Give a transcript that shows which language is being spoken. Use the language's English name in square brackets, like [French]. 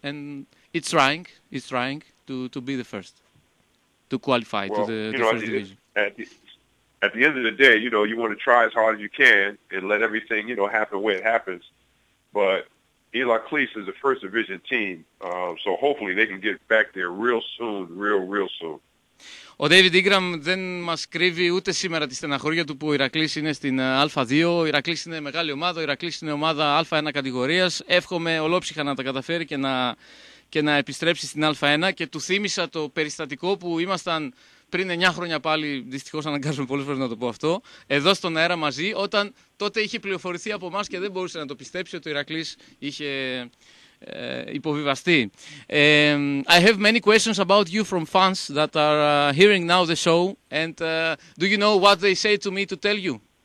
[English] And it's trying to be the first to qualify to the first division. At the end of the day, you know, you want to try as hard as you can and let everything, you know, happen where it happens. But Heraklis is a first division team, so hopefully they can get back there real soon, real, real soon. [Greek] Ο David Ingram δεν μας κρύβει ούτε σήμερα τη στεναχώρια του που ο Ηρακλής είναι στην Α2. Ο Ηρακλής είναι μεγάλη ομάδα, ο Ηρακλής είναι ομάδα Α1 κατηγορίας. Εύχομαι ολόψυχα να τα καταφέρει και να επιστρέψει στην Α1 και του θύμισα το περιστατικό που ήμασταν πριν 9 χρόνια πάλι, δυστυχώς αναγκάζομαι πολλές φορές να το πω αυτό, εδώ στον αέρα μαζί, όταν τότε είχε πληροφορηθεί από εμάς και δεν μπορούσε να το πιστέψει ότι ο Ηρακλής είχε υποβιβαστεί. [English] I have many questions about you from fans that are hearing now the show and do you know what they say to me to tell you?